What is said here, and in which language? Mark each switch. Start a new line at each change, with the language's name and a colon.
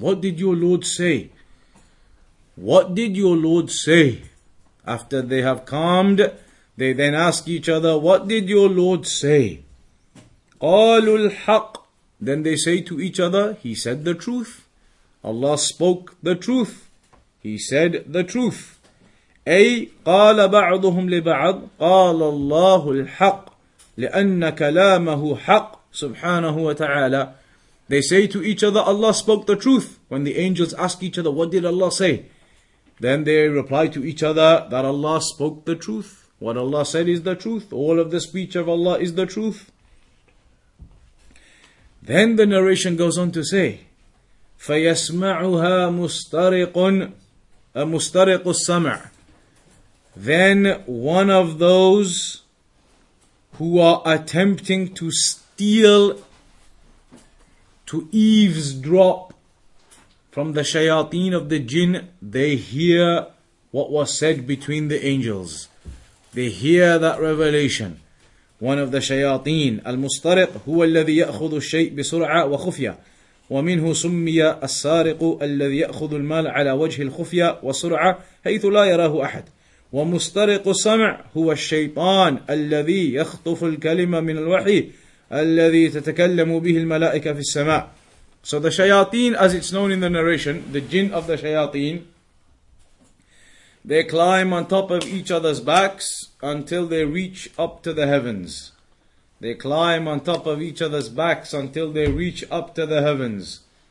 English: What did your Lord say? What did your Lord say? After they have calmed, they then ask each other, what did your Lord say?
Arabic: قَالُ الْحَقِّ.
English: Then they say to each other, he said the truth. Allah spoke the truth. He said the truth.
Arabic: أي قال بعضهم لبعض قال الله الحق لأن كلامه حق سبحانه وتعالى.
English: They say to each other, Allah spoke the truth. When the angels ask each other, what did Allah say? Then they reply to each other that Allah spoke the truth. What Allah said is the truth. All of the speech of Allah is the truth. Then the narration goes on to say,
Arabic: فَيَسْمَعُهَا مُسْتَرِقٌ
English: A mustariq al-sam'a. Then one of those who are attempting to steal, to eavesdrop from the shayateen of the jinn, they hear what was said between the angels. They hear that revelation. One of the shayateen,
Arabic: al-mustariq, huwa alladhi ya'khudhu al-shay' bisur'a wa khufya. ومنه سمي السارق الذي يأخذ المال على وجه الخفية وسرعة حيث لا يراه أحد ومسترق السمع هو الشيطان الذي يخطف الكلمة من الوحي الذي تتكلم به الملائكة في السماء.
English: So the shayateen, as it's known in the narration, the jinn of the shayateen, they climb on top of each other's backs until they reach up to the heavens. They climb on top of each other's backs until they reach up to the heavens.